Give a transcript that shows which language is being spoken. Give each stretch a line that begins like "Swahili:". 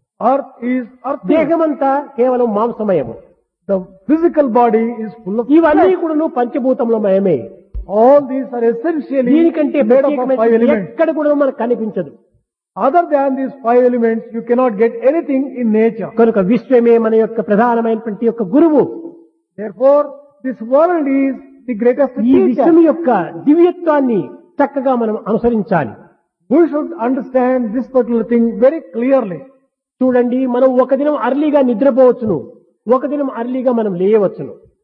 English: Earth is earth.
Telugu: దేహమంతా కేవలం మాంసమయము.
English: The physical body is full of
Telugu: flesh. ఇవన్నీ కూడాను పంచభూతములమయమే.
English: All these are essentially
Telugu: దీనికంటే
English: made up of five elements.
Telugu: ఎక్కడ కూడా మనకు కనిపించదు.
English: Other than these five elements, you cannot get anything in nature.
Telugu: కనుక విశ్వమే మన యొక్క ప్రధానమైనటువంటి యొక్క గురువు.
English: Therefore, this world is the greatest teacher.
Telugu: ఈ విశ్వం యొక్క దివ్యత్వాన్ని చక్కగా మనం అనుసరించాలి.
English: We should understand this particular thing very clearly.
Telugu: చూడండి, మనం ఒక దినం అర్లీగా నిద్రపోవచ్చును, ఒక దినం అర్లీగా మనం లేయవచ్చును.